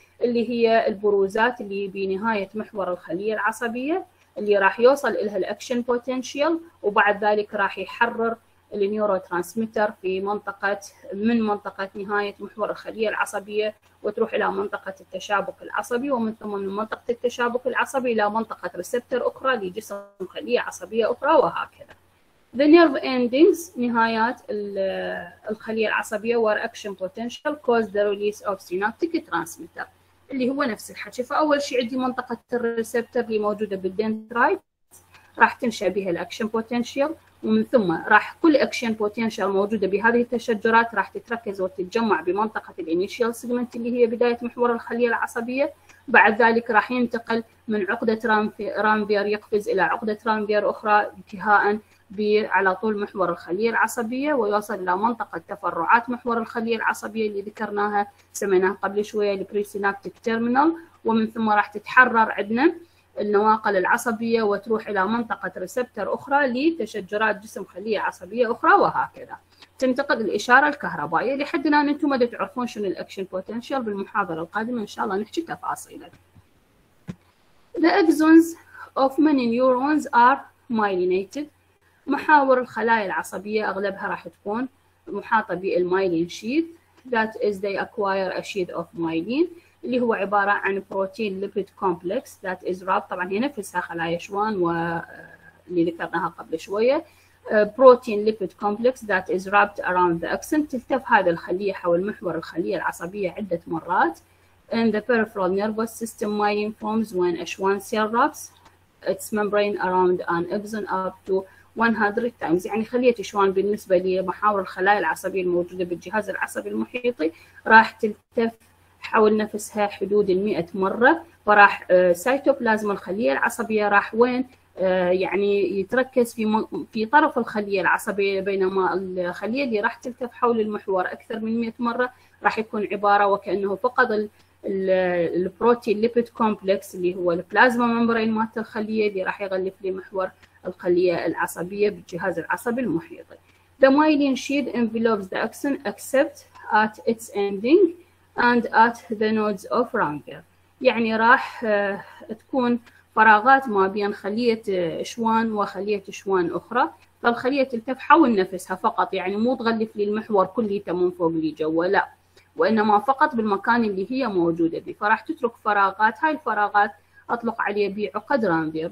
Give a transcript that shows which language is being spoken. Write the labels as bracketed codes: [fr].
[ar] اللي هي البروزات اللي بنهاية محور الخلية العصبية اللي راح يوصل إلها الأكشن بوتنشيال، وبعد ذلك راح يحرر النيورو ترانسميتر في منطقة من منطقة نهاية محور الخلية العصبية، وتروح إلى منطقة التشابك العصبي، ومن ثم من منطقة التشابك العصبي إلى منطقة ريسبتر أخرى لجسم خلية عصبية أخرى، وهكذا. [en] The nerve endings [ar] نهايات الخلية العصبية [en] where action potential cause the release of synaptic transmitter [ar] اللي هو نفس الحكي. فأول شيء عندي منطقة الريسبتر اللي موجودة بالدنترايت راح تنشأ بها الأكشن بوتنشيال، ومن ثم راح كل أكشن بوتنشيال موجودة بهذه التشجرات راح تتركز وتتجمع بمنطقة الانيشيال سيجمنت اللي هي بداية محور الخلية العصبية. بعد ذلك راح ينتقل من عقدة رانفير، يقفز إلى عقدة رانفير أخرى انتهاء على طول محور الخلية العصبية، ويوصل إلى منطقة تفرعات محور الخلية العصبية اللي ذكرناها سميناها قبل شوية البريسينابتيك تيرمينال، ومن ثم راح تتحرر عندنا النواقل العصبية وتروح إلى منطقة ريسبتر أخرى لتشجرات جسم خلية عصبية أخرى، وهكذا تنتقل الإشارة الكهربائية. لحد الآن أنتم ما تعرفون شنو الأكشن بوتنشال، بالمحاضرة القادمة إن شاء الله نحكي تفاصيله. [en] The axons of many neurons are myelinated. [ar] محاور الخلايا العصبية أغلبها راح تكون محاطة بالمايلين شيث، [en] that is they acquire a sheath of myelin [ar] اللي هو عبارة عن بروتين ليبيد كومبلكس [en] that is wrapped، [ar] طبعا هي نفسها خلايا شوان واللي ذكرناها قبل شوية، بروتين ليبيد كومبلكس [en] that is wrapped around the axon، [ar] تلتف هذه الخلية حول محور الخلية العصبية عدة مرات. [en] In the peripheral nervous system myelin forms when a Schwann cell wraps its membrane around an axon up to [ar] 100 تايمز، يعني خلية تشوان بالنسبة لمحاور الخلايا العصبية الموجودة بالجهاز العصبي المحيطي راح تلتف حول نفسها حدود 100 مرة، فراح سايتوبلازم الخلية العصبية راح وين يعني يتركز في طرف الخلية العصبية، بينما الخلية اللي راح تلتف حول المحور أكثر من 100 مرة راح يكون عبارة وكأنه فقد البروتين ليبيد كومبلكس اللي هو البلازما ممبرين مالت الخلية اللي راح يغلف لي محور الخلية العصبية بالجهاز العصبي المحيطي. [en] The myelin sheath envelopes the axon except at its ending and at the nodes of Ranvier. [ar] يعني راح تكون فراغات ما بين خلية شوان وخلية شوان أخرى، فالخلية تلتف حول نفسها فقط، يعني مو تغلف لي المحور كله من فوق لي جوا، لا، وإنما فقط بالمكان اللي هي موجودة به، فراح تترك فراغات، هاي الفراغات أطلق عليها بعقد رانفير.